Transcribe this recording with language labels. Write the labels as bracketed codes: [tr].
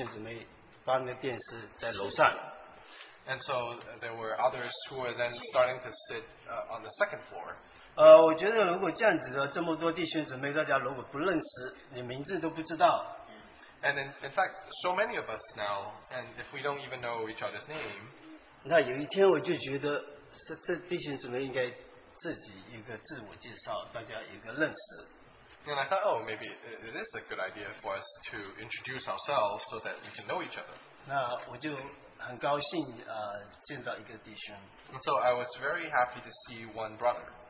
[zh] 那就开始拿摄像机，有的弟兄姊妹搬个电视在楼上。 [en] And so there were others who were then starting to sit on the second floor. [zh] 我觉得如果这样子的，这么多弟兄姊妹，大家如果不认识，你名字都不知道。 [en] And in fact, so many of us now, and if we don't even know each other's name, [zh] 那有一天我就觉得，这弟兄姊妹应该自己一个自我介绍，大家一个认识。 [en] And I thought, oh, maybe it is a good idea for us to introduce ourselves so that we can know each other. [zh] 那我就 很高兴, 见到一个弟兄。 [en] And so I was very happy to see one brother.